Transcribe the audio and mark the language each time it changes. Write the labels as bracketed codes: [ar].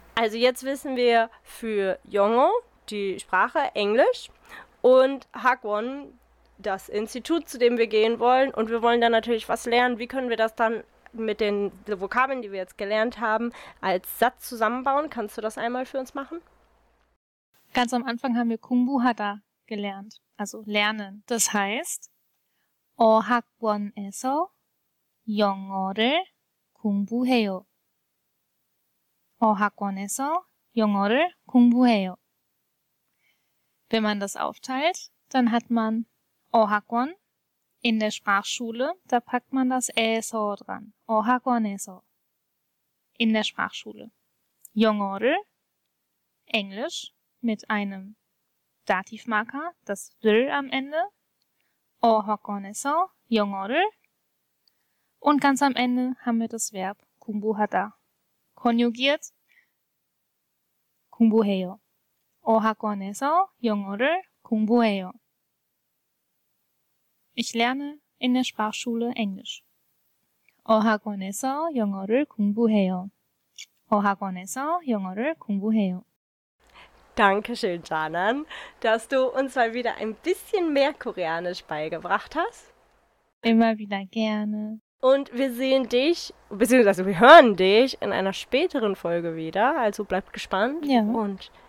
[de] Also jetzt wissen wir für Yongo die Sprache Englisch und Hakwon das Institut, zu dem wir gehen wollen. Und wir wollen dann natürlich was lernen. Wie können wir das dann mit den Vokabeln, die wir jetzt gelernt haben, als Satz zusammenbauen? Kannst du das einmal für uns machen? Ganz am Anfang haben wir Kumbuhada gelernt, also lernen. Das heißt, [ko] 어학원에서 영어를 공부해요. 어학원에서 영어를 공부해요. [de] Wenn man das aufteilt, dann hat man [ko] 어학원 [de] in der Sprachschule, da packt man das [ko] 에서 [de] dran. [ko] 어학원에서 [de] in der Sprachschule. [ko] 영어를 [de] Englisch mit einem Dativmarker, das [ko] 를 [de] am Ende. [ko] 어학원에서 영어를 [de] und ganz am Ende haben wir das Verb [ko] 공부하다. [de] Konjugiert [ko] 공부해요. 어학원에서 영어를 공부해요. [de] Ich lerne in der Sprachschule Englisch. [ko] 어학원에서 영어를 공부해요. 어학원에서 영어를 공부해요. [de] Dankeschön, Janan, dass du uns mal wieder ein bisschen mehr Koreanisch beigebracht hast. Immer wieder gerne. Und wir sehen dich, beziehungsweise wir hören dich in einer späteren Folge wieder. Also bleibt gespannt ja. Und